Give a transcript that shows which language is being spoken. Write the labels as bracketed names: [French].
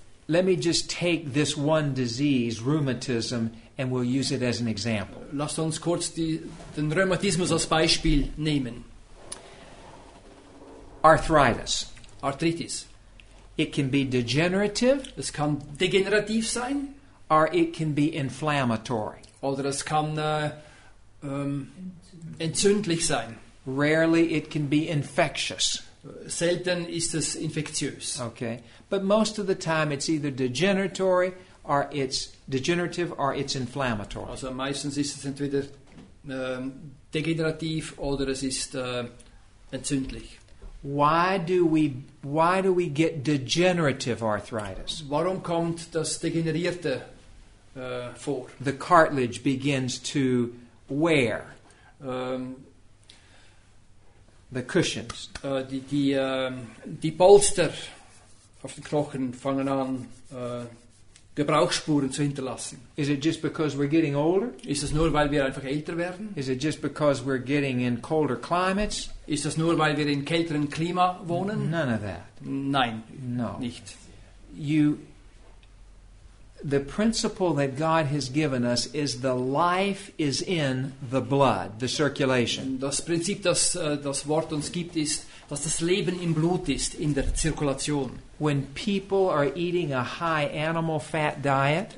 [English] Let me just take this one disease, rheumatism, and we'll use it as an example. [German] Lasst uns kurz den Rheumatismus als Beispiel nehmen. [English] Arthritis. [German] Arthritis. [English] It can be degenerative. [German] Es kann degenerativ sein. [English] Or it can be inflammatory. [German] Oder es kann entzündlich sein. [English] Rarely it can be infectious. [German] Selten ist es infektiös. [English] Okay. But most of the time it's either degeneratory or it's degenerative or it's inflammatory. [German] Also meistens ist es entweder degenerativ oder es ist entzündlich. [English] Why do we get degenerative arthritis? [German] Warum kommt das degenerierte vor? [English] The cartilage begins to wear. The cushions. [German] Die Polster auf den Knochen fangen an, Gebrauchsspuren zu hinterlassen. [English] Is it just because we're getting older? [German] Ist das nur, weil wir einfach älter werden? [English] Is it just because we're getting in colder climates? [German] Ist das nur, weil wir in kälteren Klima wohnen? [English] None of that. [German] Nein, [English] no. [German] Nicht. [English] The principle that God has given us is the life is in the blood, the circulation. [German] Das Prinzip, das das Wort uns gibt, ist, dass das Leben im Blut ist, in der Zirkulation. [English] When people are eating a high animal fat diet,